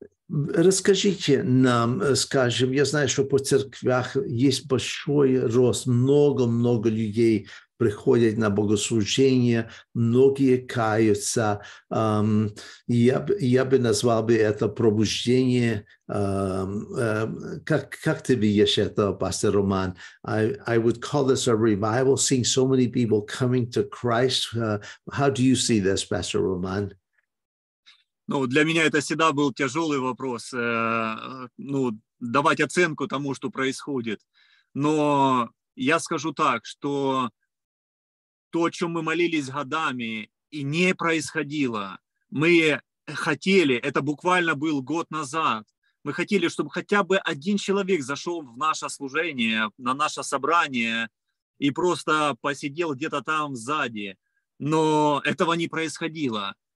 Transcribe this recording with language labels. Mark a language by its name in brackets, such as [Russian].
[Russian] Расскажите нам, скажем, я знаю, что по церквях есть большой рост, много-много людей приходят на богослужение, многие каются. Я бы назвал бы это пробуждение. Как ты видишь это, пастор Роман? [English] I would call this a revival, seeing so many people coming to Christ. How do you see this, пастор Роман? [Russian] Ну, для меня это всегда был тяжелый вопрос, ну, давать оценку тому, что происходит. Но я скажу так, что то, о чем мы молились годами и не происходило, мы хотели, это буквально был год назад, мы хотели, чтобы хотя бы один человек зашел в наше служение, на наше собрание и просто посидел где-то там сзади, но этого не происходило.